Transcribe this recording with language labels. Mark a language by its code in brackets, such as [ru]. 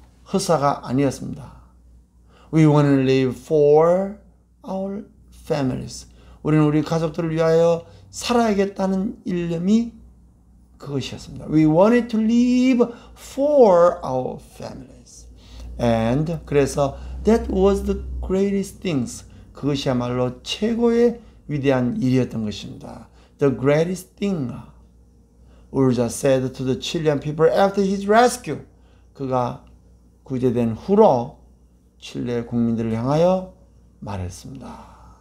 [ko] 허사가 아니었습니다. [en] We want to live for our families. [ko] 우리는 우리 가족들을 위하여 살아야겠다는 일념이 그것이었습니다. [en] We wanted to leave for our families. And 그래서 that was the greatest things. [ko] 그것이야말로 최고의 위대한 일이었던 것입니다. [en] The greatest thing. Urza said to the Chilean people after his rescue. [ko] 그가 구제된 후로 칠레 국민들을 향하여 말했습니다.